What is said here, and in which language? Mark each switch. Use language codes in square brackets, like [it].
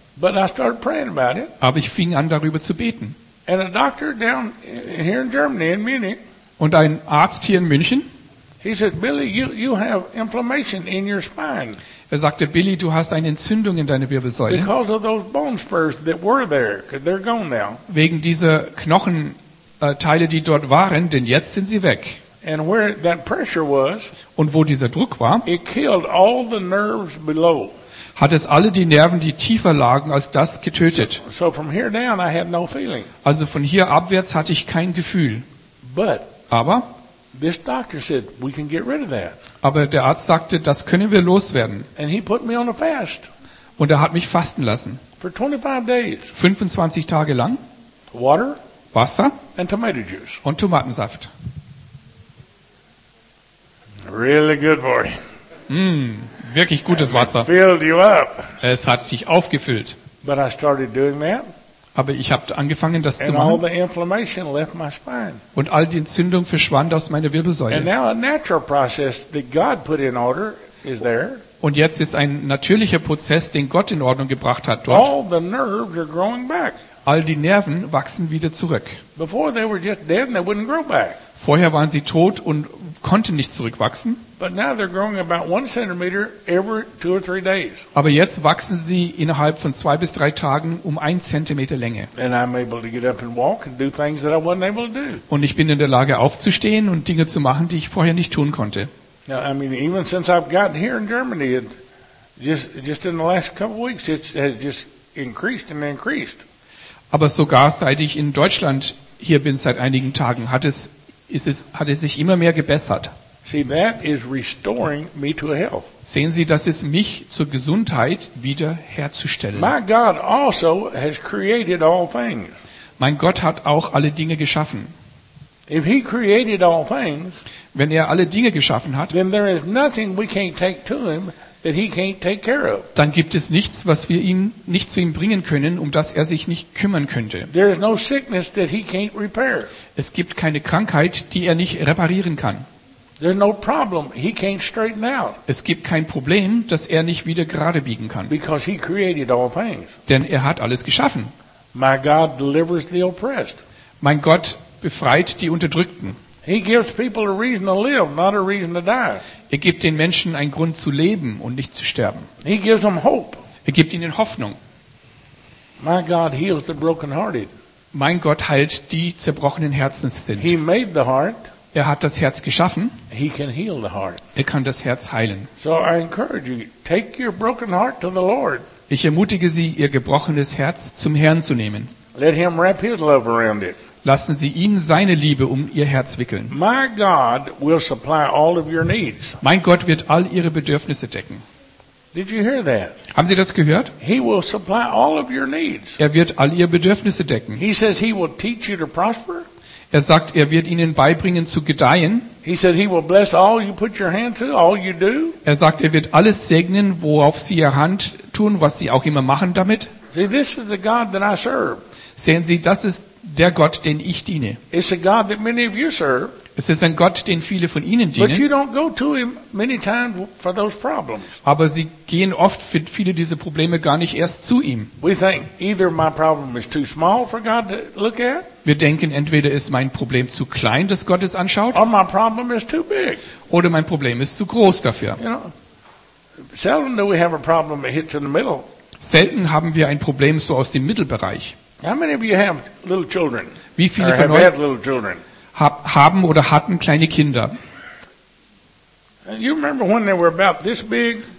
[en] But I started praying about it. [de] Aber ich fing an, darüber zu beten. [en] And a doctor down here in Germany, in Munich, [de] und ein Arzt hier in München. [en] He said, Billy, you have inflammation in your spine. [de] Er sagte, Billy, du hast eine Entzündung in deiner Wirbelsäule. [en] Because of those bone spurs that were there, because they're gone now. [de] Wegen dieser Knochenteile, die dort waren, denn jetzt sind sie weg. [en] And where that pressure was, [de] und wo dieser Druck war, [en] it killed all the nerves below. [de] Hat es alle die Nerven, die tiefer lagen als das, getötet. [en] So from here down, I had no feeling. [de] Also von hier abwärts hatte ich kein Gefühl. [en] But [de] aber, [en] this doctor said, we can get rid of that. [de] Aber der Arzt sagte, das können wir loswerden. [en] And he put me on a fast. [de] Und er hat mich fasten lassen. [en] For 25 days. [de] 25 Tage lang. [en] Water. [de] Wasser [en] and tomato juice. [de] Und Tomatensaft. [en] Really good for you. [de] Wirklich gutes Wasser. [en] Filled you up. [de] Es hat dich aufgefüllt. [en] But I started doing that. [de] Aber ich habe angefangen, das [en] and [de] zu machen. [en] All the inflammation left my spine. [de] Und all die Entzündung verschwand aus meiner Wirbelsäule. [en] And now a natural process that God put in order is there. [de] Und jetzt ist ein natürlicher Prozess, den Gott in Ordnung gebracht hat dort. [en] All the nerves are growing back. [de] All die Nerven wachsen wieder zurück. [en] Before they were just dead and they wouldn't grow back. [de] Vorher waren sie tot und konnten nicht zurückwachsen. [en] But now they're growing about one centimeter every two or three days. [de] Aber jetzt wachsen sie innerhalb von 2 bis 3 Tagen um 1 Zentimeter Länge. [en] And I'm able to get up and walk and do things that I wasn't able to do. [de] Und ich bin in der Lage aufzustehen und Dinge zu machen, die ich vorher nicht tun konnte. [en] Now, I mean, even since I've gotten here in Germany, and just in the last couple of weeks, it has just increased and increased. [de] Aber sogar seit ich in Deutschland hier bin, seit einigen Tagen, hat es sich immer mehr gebessert. [en] See, that is restoring me to health. [de] Sehen Sie, das ist mich zur Gesundheit wiederherzustellen. [en] My God also has created all things. [de] Mein Gott hat auch alle Dinge geschaffen. [en] If he created all things, [de] wenn er alle Dinge geschaffen hat, [en] then there is nothing we can't take to him that he can't take care of. [de] Dann gibt es nichts, was wir ihm nicht zu ihm bringen können, um das er sich nicht kümmern könnte. [en] There is no sickness that he can't repair. [de] Es gibt keine Krankheit, die er nicht reparieren kann. [en] There is no problem he can't straighten out. [de] Es gibt kein Problem, das er nicht wieder gerade biegen kann. [en] Because he created all things. [de] Denn er hat alles geschaffen. [en] My God delivers the oppressed. [de] Mein Gott befreit die Unterdrückten. [en] He gives people a reason to live, not a reason to die. [de] Er gibt den Menschen einen Grund zu leben und nicht zu sterben. [en] He gives them hope. [de] Er gibt ihnen Hoffnung. [en] My God heals the brokenhearted. [de] Mein Gott heilt die zerbrochenen Herzen sind. [en] He made the heart. [de] Er hat das Herz geschaffen. [en] He can heal the heart. [de] Er kann das Herz heilen. [en] So I encourage you, take your broken heart to the Lord. [de] Ich ermutige Sie, Ihr gebrochenes Herz zum Herrn zu nehmen. [en] Let him wrap his love around it. [de] Lassen Sie ihn seine Liebe um Ihr Herz wickeln. [en] My God will supply all of your needs. [de] Mein Gott wird all Ihre Bedürfnisse decken. [en] Did you hear that? [de] Haben Sie das gehört? [en] He will supply all of your needs. [de] Er wird all Ihre Bedürfnisse decken. [en] He says he will teach you to prosper. [de] Er sagt, er wird Ihnen beibringen zu gedeihen. [en] He said he will bless all you put your hand to, all you do. [de] Er sagt, er wird alles segnen, worauf Sie Ihre Hand tun, was Sie auch immer machen damit. [en] See, this is the God that I serve. [de] Sehen Sie, das ist der Gott, den ich diene. [en] It's a God that many of you serve. [de] Es ist ein Gott, den viele von Ihnen dienen. [en] But you don't go to him many times for those problems. [de] Aber Sie gehen oft für viele dieser Probleme gar nicht erst zu ihm. [en] We think either my problem is too small for God to look at. [de] Wir denken, entweder ist mein Problem zu klein, dass Gott es anschaut. [en] Or my problem is too big. [de] Oder mein Problem ist zu groß dafür. [en] You know, seldom do we have a problem that hits in the middle. [de] Selten haben wir ein Problem so aus dem Mittelbereich. [en] How many of you have little children? [de] Wie viele von euch haben oder hatten kleine Kinder? [en] You remember when they were about this big?